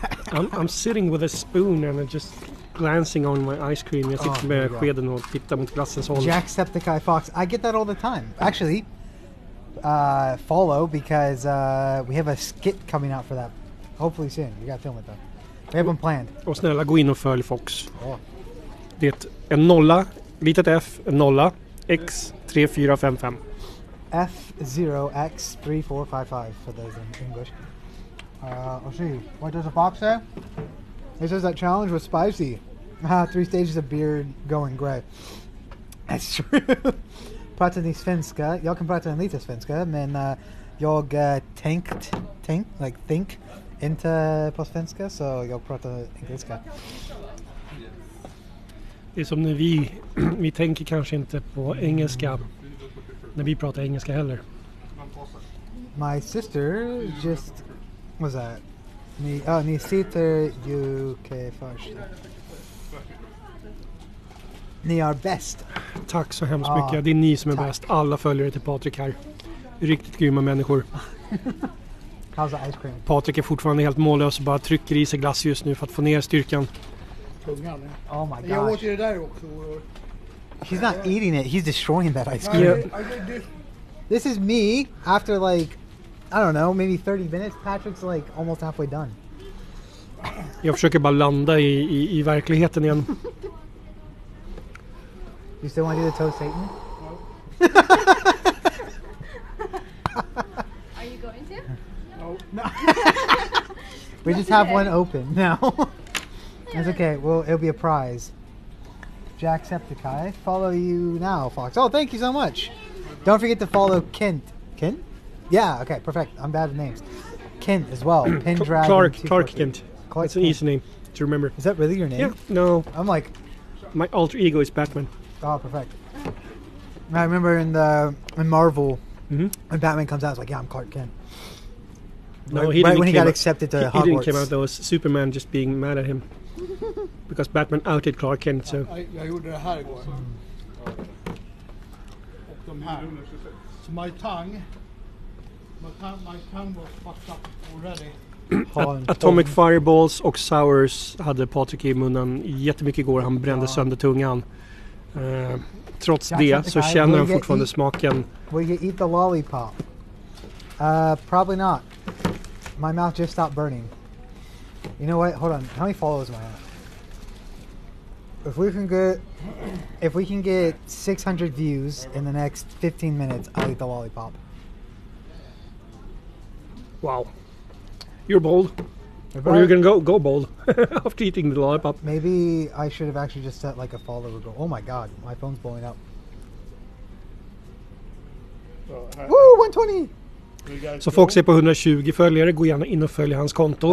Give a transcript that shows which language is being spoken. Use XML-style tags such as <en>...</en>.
<en>I'm sitting with a spoon and I just... glancing on my ice cream.</en> <sv>Jag sitter med skeden och tittar mot glassens håll.</sv> <en>Jacksepticeye Fox. I get that all the time. Actually, follow because we have a skit coming out for that. Hopefully soon. We got to film it though. We have one planned.</en> <sv>Och snälla, gå in och följ Fox. Det är en nolla, litet F, en nolla, X, 3455.</sv> <en>F, 0, X, 3455 for those in English. Let's see. What does a Fox say? He says that challenge was spicy. Three stages of beard going gray. That's true.</en> <sv>Prata ni svenska. Jag kan prata lite svenska. Men jag think inte på svenska. Så jag pratar engelska. Det är som när vi tänker kanske inte på engelska. När vi pratar engelska heller.</sv> <en>My sister just... What's that?</en> <sv>Ni sitter ju först. Ni är bäst. Tack så hemskt mycket. Det är ni som är bäst. Alla följare till Patrik här. Riktigt grymma människor.</sv> <en>How's the ice cream?</en> <sv>Patrik är fortfarande helt mållös och bara trycker i sig glass just nu för att få ner styrkan. Tungan.</sv> <en>Oh my god.</en> <sv>Jag åt det där också.</sv> <en>He's not eating it. He's destroying that ice cream. Yeah. This is me after like I don't know, maybe 30 minutes. Patrick's like almost halfway done.</en> <sv>Jag försöker bara landa i verkligheten igen.</sv> <en>You still want to do the toast, Satan? No. Are you going to? No. We just have one open now. That's okay. Well, it'll be a prize. Jacksepticeye, follow you now, Fox. Oh, thank you so much. Don't forget to follow Kent. Kent? Yeah, okay, perfect. I'm bad at names. Kent as well. Pendragon. Clark Kent. It's an easy name to remember. Is that really your name? Yeah, no. I'm like, My alter ego is Batman. Oh, perfect. And I remember in Marvel, mm-hmm. when Batman comes out, it's like, yeah, I'm Clark Kent. No, he didn't come out. That was Superman just being mad at him. Because Batman outed Clark Kent, so...</en> <sv>I gjorde det här igår. Mm. Och de här.</sv> <en>So my tongue was fucked up already.</en> <sv>Atomic Fireballs och Sours hade Patrik i munnen jättemycket igår. Han brände sönder tungan. Trots det så känner han fortfarande smaken.</sv> <en>Will you eat the lollipop? Probably not. My mouth just stopped burning. You know what? Hold on. How many followers am I at? If we can get 600 views in the next 15 minutes, I'll eat the lollipop. Wow. You're bold. Or you're going to go bold after eating the lollipop. Maybe I should have actually just set like a follower goal. Oh my god, my phone's blowing up. Woo, 120!</en> <sv>Så folk ser på 120 följare, gå gärna in och följ hans konto.</sv>